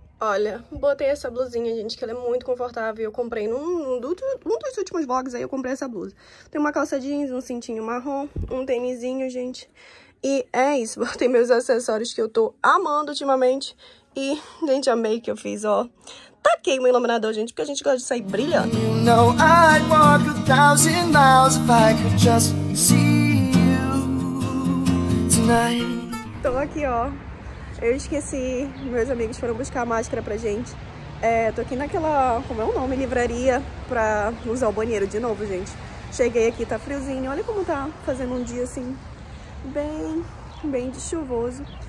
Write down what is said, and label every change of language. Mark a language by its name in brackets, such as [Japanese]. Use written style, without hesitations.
[Portuguese] Olha, botei essa blusinha, gente, que ela é muito confortável. Eu comprei num dos últimos vlogs aí, eu comprei essa blusa. Tem uma calça jeans, um cintinho marrom, um tênisinho, gente. E é isso, botei meus acessórios que eu tô amando ultimamente. E, gente, amei que eu fiz, ó. Taquei o meu iluminador, gente, porque a gente gosta de sair brilhando. [English] You know I'd walk a thousand miles if I could just see you tonight. [Portuguese] Tô aqui, ó. Eu esqueci, meus amigos foram buscar a máscara pra gente. É, tô aqui naquela, como é o nome, livraria pra usar o banheiro de novo, gente. Cheguei aqui, tá friozinho, olha como tá fazendo um dia assim, bem de chuvoso.